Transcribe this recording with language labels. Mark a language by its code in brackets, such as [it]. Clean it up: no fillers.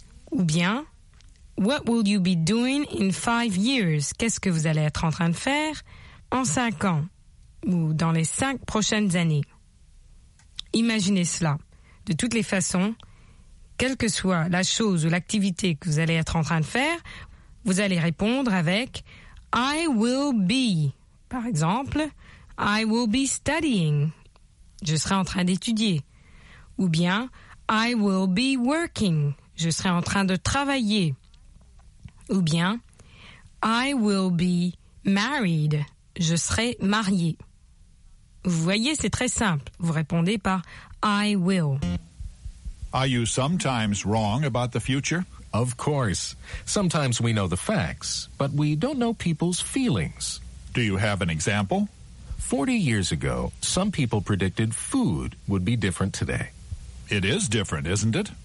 [fr] Ou bien, [en] what will you be doing in 5 years? [fr] Qu'est-ce que vous allez être en train de faire en 5 ans? Ou dans les 5 prochaines années? Imaginez cela. De toutes les façons, quelle que soit la chose ou l'activité que vous allez être en train de faire, vous allez répondre avec « I will be ». Par exemple, [en] « I will be studying ». [fr] Je serai en train d'étudier. Ou bien « [en] I will be working ». [fr] Je serai en train de travailler. Ou bien « [en] I will be married ». [fr] Je serai marié. Vous voyez, c'est très simple. Vous répondez par « I will ». [en] Are you sometimes wrong about the future? Of course. Sometimes we know the facts, but we don't know people's feelings. Do you have an example? 40 years ago, some people predicted food would be different today. It is different, isn't it?